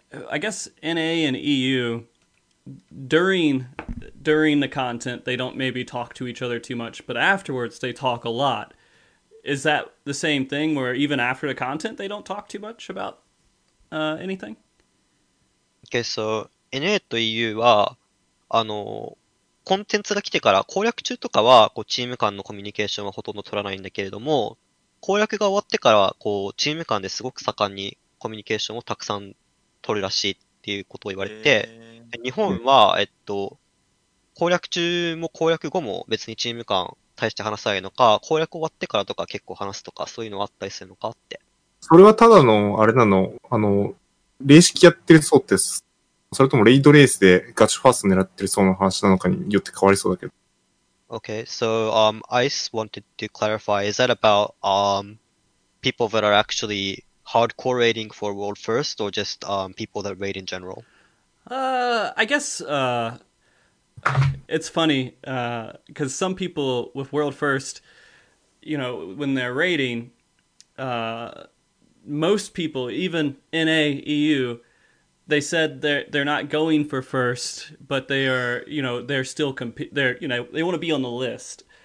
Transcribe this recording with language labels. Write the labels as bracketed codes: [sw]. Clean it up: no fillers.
[en] I guess NA and EU, during the content, they don't maybe talk to each other too much, but afterwards they talk a lot. Is that the same thing, where even after the content, they don't talk too much about anything? [ja] Okay, so NA と EU は、コンテンツが来てから攻略中とかはこうチーム間のコミュニケーションはほとんど取らないんだけれども、攻略が終わってからこうチーム間ですごく盛んにコミュニケーションをたくさん取るらしいっていうことを言われて、日本は、攻略中も攻略後も別にチーム間対して話さないのか、攻略終わってからとか結構話すとか、そういうのあったりするのかって。それはただの、あれなの、レース式やってる層です。それともレイドレースでガチファースト狙ってる層の話なのかによって変わりそうだけど。 [en] Okay, so, I just wanted to clarify, is that about, people that are actually hardcore raiding for world first, or just, people that raid in general? I guess, it's funny, because some people with world first, you know, when they're raiding, most people, even NA, EU, they said they're not going for first, but they are, you know, they're still, they want to be on the list.